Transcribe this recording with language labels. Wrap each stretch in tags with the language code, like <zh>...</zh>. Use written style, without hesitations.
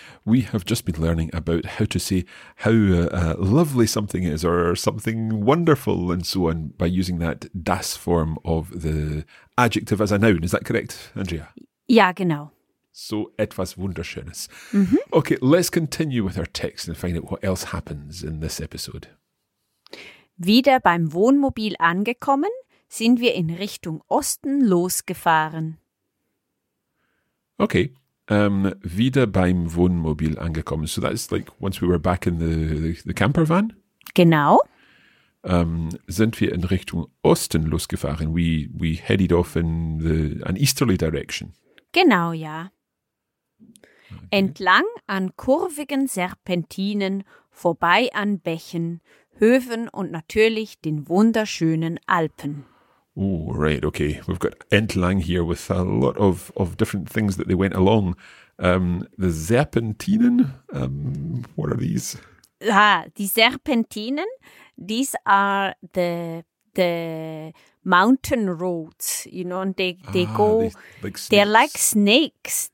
<en>We have just been learning about how to say how lovely something is or something wonderful and so on by using that das form of the adjective as a noun. Is that correct, Andrea?</en> <de>Ja, genau. So etwas Wunderschönes. Mm-hmm.</de> <en>Okay, let's continue with our text and find out what else happens in this episode.</en> <de>Wieder beim Wohnmobil angekommen, sind wir in Richtung Osten losgefahren. Okay. Wieder beim Wohnmobil angekommen.</de> <en>So that's like once we were back in the camper van?</en> <de>Genau. Sind wir in Richtung Osten losgefahren.</de> <en>We headed off in an easterly direction.</en> <de>Genau, ja. Okay. Entlang an kurvigen Serpentinen, vorbei an Bächen, Höfen und natürlich den wunderschönen Alpen.</de> <en>Oh, right, okay. We've got entlang here with a lot of different things that they went along. The Serpentinen, what are these? Ah, die Serpentinen, these are the mountain roads, you know, and they go, they're like snakes.</en>